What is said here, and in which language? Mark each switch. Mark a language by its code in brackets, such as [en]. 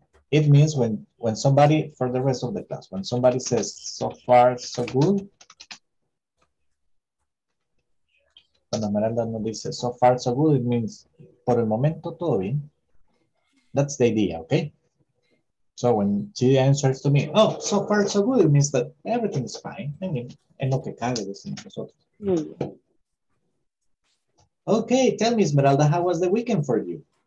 [en] It means when somebody, for the rest of the class, when somebody says, so far, so good. [es] Cuando Miranda nos dice, [en] so far, so good, it means, [es] por el momento, todo bien. [en] That's the idea, okay? So when she answers to me, oh, so far, so good, it means that everything is fine. [es] I mean, en lo que cabe decimos nosotros. [en] Okay, tell me, Esmeralda, how was the weekend for you?